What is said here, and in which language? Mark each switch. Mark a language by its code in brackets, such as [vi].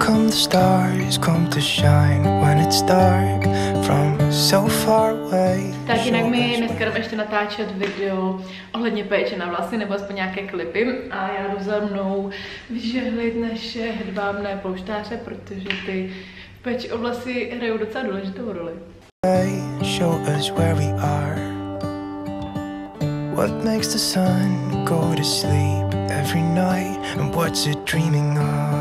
[en] Stars come to shine when it's dark from so far away. [cs] Tak jinak my dneska jdeme ještě natáčet video ohledně péče na vlasy nebo aspoň nějaké klipy a já jdu za mnou vyžehlit naše hedvábné polštáře, protože ty péče o vlasy hrajou docela důležitou roli. [en] Show us where we are. What makes the sun go to sleep every night and what's it dreaming of?